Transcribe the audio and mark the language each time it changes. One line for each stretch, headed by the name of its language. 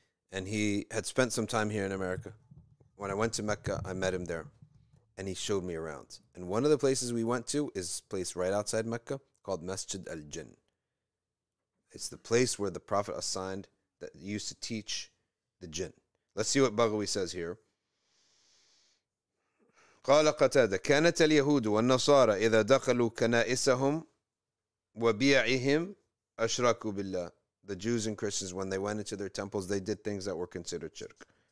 English: And he had spent some time here in America. When I went to Mecca, I met him there. And he showed me around. And one of the places we went to is a place right outside Mecca called Masjid Al-Jinn. It's the place where the Prophet assigned that used to teach the jinn. Let's see what Baghawi says here.
Arabic: قال قتادة كانت اليهود والنصارى إذا دخلوا كنائسهم وبيعهم أشركوا بالله.
English: The Jews and Christians, when they went into their temples, they did things that were considered shirk.